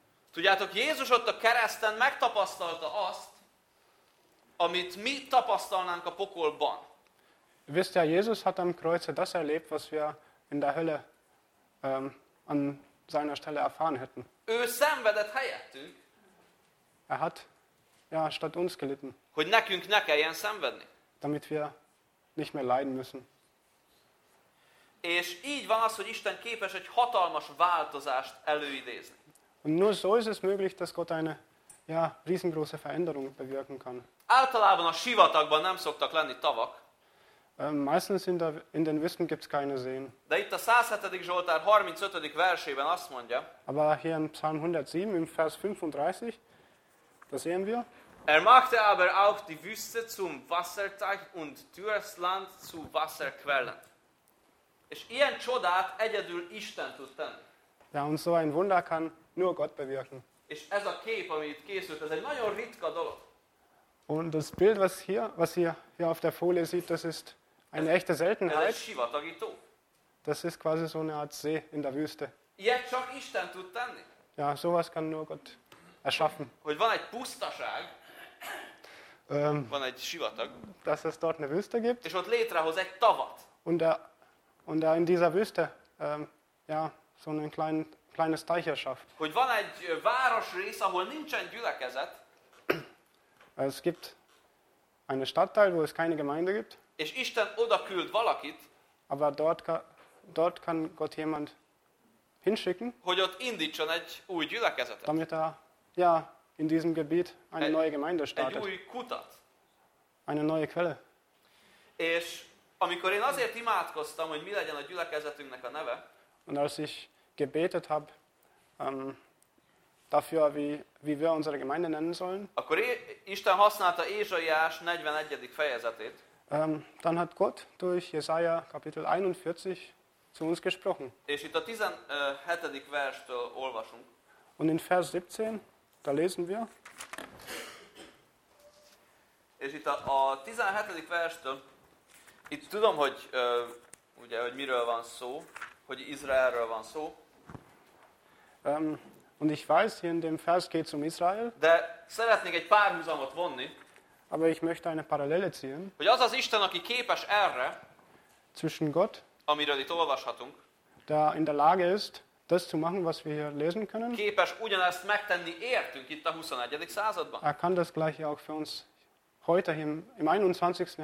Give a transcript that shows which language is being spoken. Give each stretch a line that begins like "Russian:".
Hungarian: Tudjátok, Jézus ott a kereszten megtapasztalta azt, amit mi tapasztalnánk a pokolban.
German: Wisst ihr, Jesus hat am Kreuz das erlebt, was wir in der Hölle an seiner Stelle erfahren hätten.
Hungarian: Ő szenvedett helyettünk.
German: Er hat ja statt uns gelitten.
Hungarian: Hogy nekünk ne kelljen szenvedni.
German: Damit wir nicht mehr leiden müssen.
Hungarian: És így van az, hogy Isten képes egy hatalmas változást előidézni.
German: Und nur so ist es möglich, dass Gott eine ja riesengroße Veränderung bewirken kann.
Hungarian: Általában a sivatagban nem szoktak lenni tavak.
German: Meistens in den Wüsten gibt es keine Seen.
Hungarian: De itt a 107. Zsoltár 35. versében azt mondja.
German: Aber hier in Psalm 107, im Vers 35, da sehen wir. Er machte aber auch die Wüste zum Wasserteich und dürres Land zu Wasserquellen.
Hungarian: És ilyen csodát egyedül Isten tud tenni.
German: Ja, und so ein Wunder kann nur Gott bewirken.
Hungarian: És ez a kép, ami itt készült, ez egy nagyon ritka dolog.
German: Und das Bild, was hier auf der Folie sieht, das ist eine echte Seltenheit.
Hungarian: Ez egy sivatagi tó.
German: Das ist quasi so eine Art See in der Wüste.
Hungarian: Ilyet csak Isten tud tenni.
German: Ja, sowas kann nur Gott erschaffen.
Hungarian: Hogy van egy pusztaság, van egy sivatag.
German: Dass es dort eine Wüste gibt.
Hungarian: És ott létrehoz egy tavat.
German: Und er in dieser Wüste, ja, so ein kleines Teich erschafft.
Hungarian: Hogy van egy városrész, ahol nincsen gyülekezet.
German: Es gibt einen Stadtteil, wo es keine Gemeinde gibt.
Hungarian: És Isten oda küld valakit,
German: aber dort kann Gott jemand hinschicken,
Hungarian: hogy ott indítson egy új gyülekezetet.
German: Damit er ja, in diesem Gebiet eine neue Gemeinde startet.
Hungarian: Egy új kutat.
German: Eine neue Quelle.
Hungarian: És amikor én azért imádkoztam, hogy mi legyen a gyülekezetünknek a neve,
German: und als ich gebetet habe, dafür, wie wir unsere Gemeinde nennen sollen.
Hungarian: Akkor Isten használta Ézsaiás 41. fejezetét.
German: Dann hat Gott durch Jesaja Kapitel 41 zu uns gesprochen.
Hungarian: És itt a 17. verstől olvasunk.
German: Und in Vers 17, da lesen wir.
Hungarian: És itt a 17. verstől, itt tudom, hogy ugye, hogy miről van szó, hogy Izraelről van szó.
German: Und ich weiß, hier in dem Vers geht es um Israel.
Hungarian: De szeretnék egy párhuzamot vonni.
German: Aber ich möchte eine Parallele ziehen.
Hungarian: Hogy az az Isten, aki képes erre,
German: zwischen Gott,
Hungarian: amiről itt olvashatunk,
German: der in der Lage ist, das zu machen, was wir hier lesen können.
Hungarian: Képes ugyanezt megtenni értünk itt a 21. században.
German: Er kann das gleiche auch für uns heute im 21.